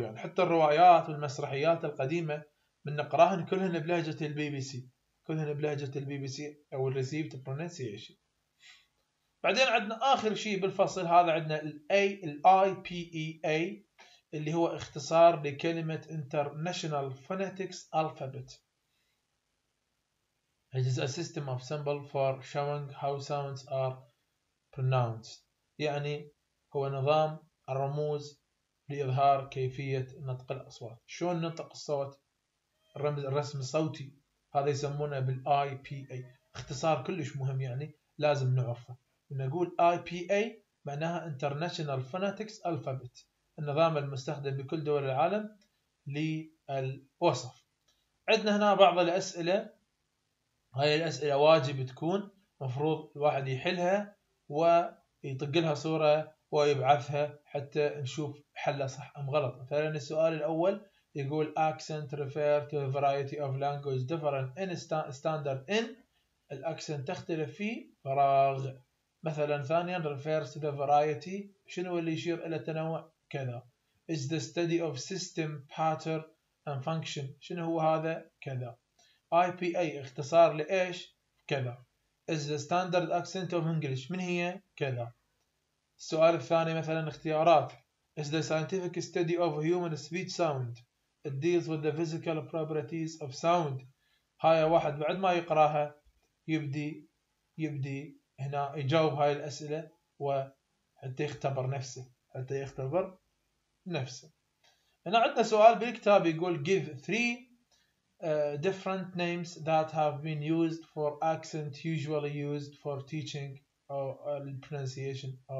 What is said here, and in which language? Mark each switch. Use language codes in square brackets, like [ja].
[ar] يعني حتى الروايات والمسرحيات القديمة من نقراهن كلهن بلهجة البي بي سي، كلهن بلهجة البي بي سي أو الريسيفت برونسيشن. بعدين عندنا آخر شيء بالفصل هذا، عندنا الـ IPEA اللي هو اختصار لكلمة International Phonetics Alphabet. [en] It is a system of symbols for showing how sounds are pronounced. [ar] يعني هو نظام الرموز لإظهار كيفية نطق الأصوات. شلون ننطق الصوت؟ الرمز الرسم الصوتي. هذا يسمونه بالـ IPA. اختصار كلش مهم يعني لازم نعرفه. نقول IPA معناها International Phonetics Alphabet، النظام المستخدم بكل دول العالم للوصف. عندنا هنا بعض الأسئلة، هاي الأسئلة واجب تكون، مفروض الواحد يحلها ويطق لها صورة ويبعثها حتى نشوف حلها صح أم غلط. مثلا السؤال الأول يقول [en] accent refer to a variety of language different in standard in. [ar] الأكسنت تختلف في فراغ. مثلا ثانيا [en] refers to the variety، [ar] شنو اللي يشير إلى التنوع؟ كذا. [en] is the study of system pattern and function، [ar] شنو هو هذا؟ كذا. IPA اختصار لإيش؟ كذا. [en] is the standard accent of English، [ar] من هي؟ كذا. السؤال الثاني مثلا اختيارات، [en] is the scientific study of human speech sound، it deals with the physical properties of sound. [ar] هاي واحد بعد ما يقراها يبدي هنا يجاوب هاي الأسئلة، وحتى يختبر نفسه، حتى يختبر نفسه. هنا عندنا سؤال بالكتاب يقول [en] give three different names that have been used for accent usually used for teaching pronunciation.